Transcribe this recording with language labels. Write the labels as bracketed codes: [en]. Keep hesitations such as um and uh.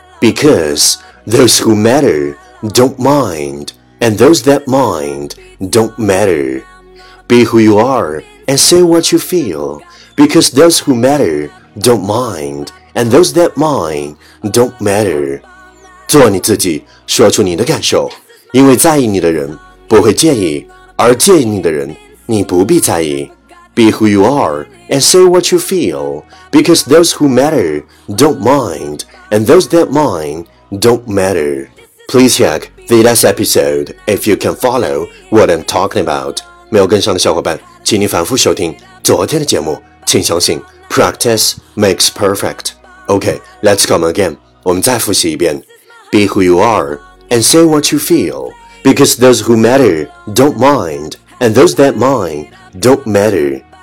[en] Because those who matter don't mind, and those that mind don't matter. Be who you are and say what you feel. Because those who matter don't mind, and those that mind don't matter. [zh] 做你自己，说出你的感受，因为在意你的人不会介意，而介意你的人，你不必在意。 [en] Be who you are and say what you feel, because those who matter don't mind, and those that mind don't matter. Please check the last episode if you can follow what I'm talking about. [zh] 没有跟上的小伙伴，请你反复收听昨天的节目。请相信， [en] practice makes perfect. Okay, let's come again. [zh] 我们再复习一遍。 [en] Be who you are and say what you feel because those who matter don't mind, and those that mind don't matter.